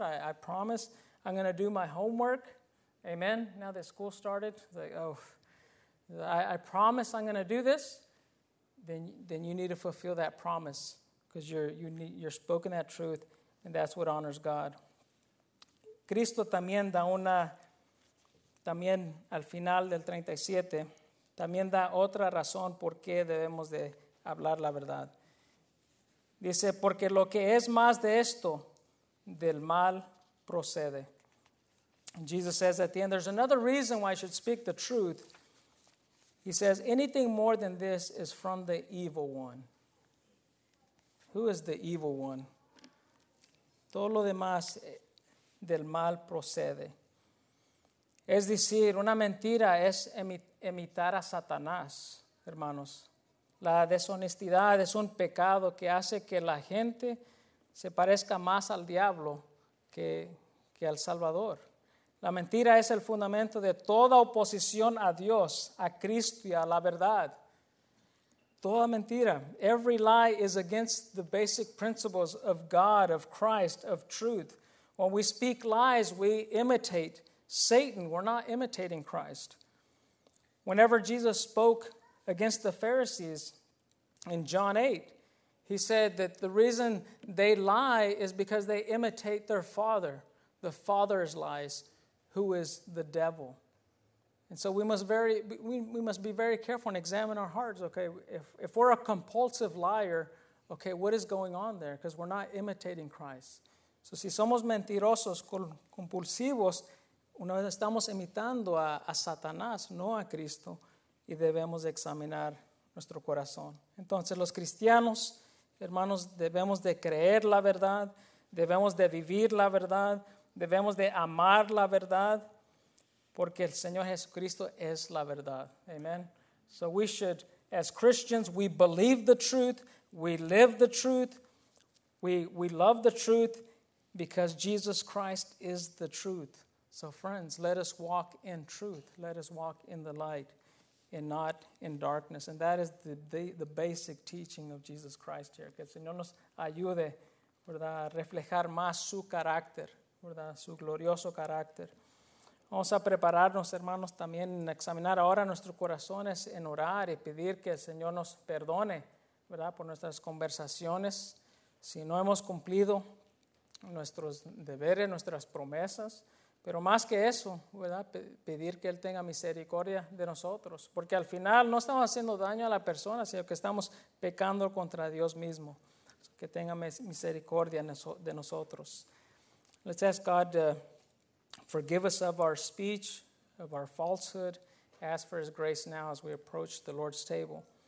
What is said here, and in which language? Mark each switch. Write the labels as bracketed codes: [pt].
[en] I promise I'm going to do my homework. Amen. Now that school started, like, oh, I promise I'm going to do this. Then you need to fulfill that promise because you're spoken that truth, and that's what honors God. [es] Cristo también da una, también al final del 37, también da otra razón por qué debemos de hablar la verdad. Dice, porque lo que es más de esto, del mal procede. [en] And Jesus says at the end, there's another reason why I should speak the truth. He says, anything more than this is from the evil one. Who is the evil one? [es] Todo lo demás del mal procede. Es decir, una mentira es imitar a Satanás, hermanos. La deshonestidad es un pecado que hace que la gente se parezca más al diablo que al Salvador. La mentira es el fundamento de toda oposición a Dios, a Cristo y a la verdad. Toda mentira. [en] Every lie is against the basic principles of God, of Christ, of truth. When we speak lies, we imitate Satan. We're not imitating Christ. Whenever Jesus spoke against the Pharisees in John 8, he said that the reason they lie is because they imitate their father, the father's lies, who is the devil. And so we must be very careful and examine our hearts. Okay, if we're a compulsive liar, okay, what is going on there? Because we're not imitating Christ. [es] So si somos mentirosos, compulsivos, una vez estamos imitando a Satanás, no a Cristo, y debemos examinar nuestro corazón. Entonces, los cristianos, hermanos, debemos de creer la verdad, debemos de vivir la verdad, debemos de amar la verdad, porque el Señor Jesucristo es la verdad. [en] Amen. So we should, as Christians, we believe the truth, we live the truth, we love the truth, because Jesus Christ is the truth. So friends, let us walk in truth. Let us walk in the light and not in darkness. And that is the basic teaching of Jesus Christ here. [es] Que el Señor nos ayude, ¿verdad?, a reflejar más su carácter, ¿verdad?, su glorioso carácter. Vamos a prepararnos, hermanos, también en examinar ahora nuestros corazones, en orar y pedir que el Señor nos perdone, ¿verdad?, por nuestras conversaciones. Si no hemos cumplido nuestros deberes, nuestras promesas. Pero más que eso, ¿verdad?, pedir que Él tenga misericordia de nosotros. Porque al final no estamos haciendo daño a la persona, sino que estamos pecando contra Dios mismo. Que tenga misericordia de nosotros. [en] Let's ask God to forgive us of our speech, of our falsehood. Ask for His grace now as we approach the Lord's table.